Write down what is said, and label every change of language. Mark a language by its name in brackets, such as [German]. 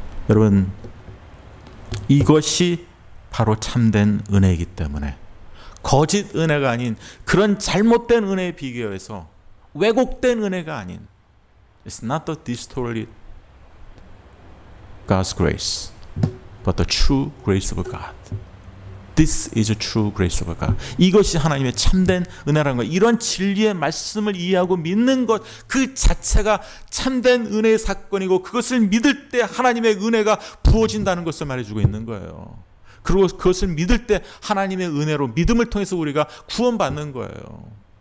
[Korean] 여러분, 이것이 바로 참된 은혜이기 때문에 거짓 은혜가 아닌, 그런 잘못된 은혜에 비교해서 왜곡된 은혜가 아닌, [English] It's not the distorted God's grace, but the true grace of God. This is a true grace of God. [Korean] 이것이 하나님의 참된 은혜라는 거예요. 이런 진리의 말씀을 이해하고 믿는 것 그 자체가 참된 은혜의 사건이고, 그것을 믿을 때 하나님의 은혜가 부어진다는 것을 말해주고 있는 거예요. 그리고 그것을 믿을 때 하나님의 은혜로 믿음을 통해서 우리가 구원받는 거예요.